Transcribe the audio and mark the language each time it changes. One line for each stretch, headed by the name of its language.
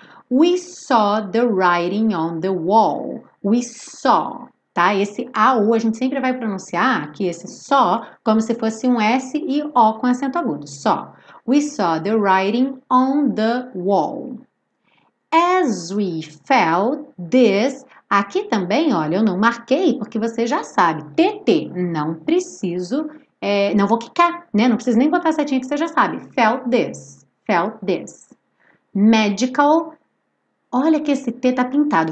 English: We saw the writing on the wall. We saw. Tá?
Portuguese: Esse AU a gente sempre vai pronunciar aqui, esse só, como se fosse um S e O com acento agudo. Só.
English: We saw the writing on the wall. As we felt this.
Portuguese: Aqui também, olha, eu não marquei porque você já sabe. TT. Não preciso. É, não vou quicar, né? Não preciso nem botar setinha que você já sabe.
English: Felt this. Felt this. Medical.
Portuguese: Olha que esse T tá pintado.